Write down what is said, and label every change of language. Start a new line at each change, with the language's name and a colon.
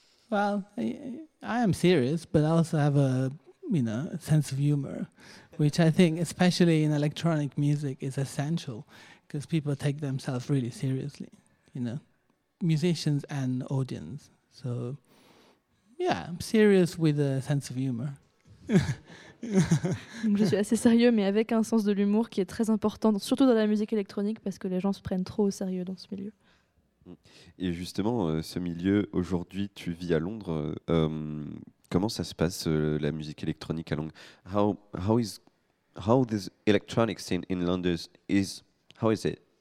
English: Well, I am serious, but I also have a, you know, a sense of humor, which I think, especially in electronic music, is essential, because people take themselves really seriously, you know, musicians and audience. So, yeah, I'm serious with a sense of humor.
French: Donc je suis assez sérieux, mais avec un sens de l'humour qui est très important, surtout dans la musique électronique, parce que les gens se prennent trop au sérieux dans ce milieu. Et justement, ce milieu, aujourd'hui, tu vis à Londres. Comment ça se passe, la musique électronique à Londres?
English: How this electronic scene in London is, how is it?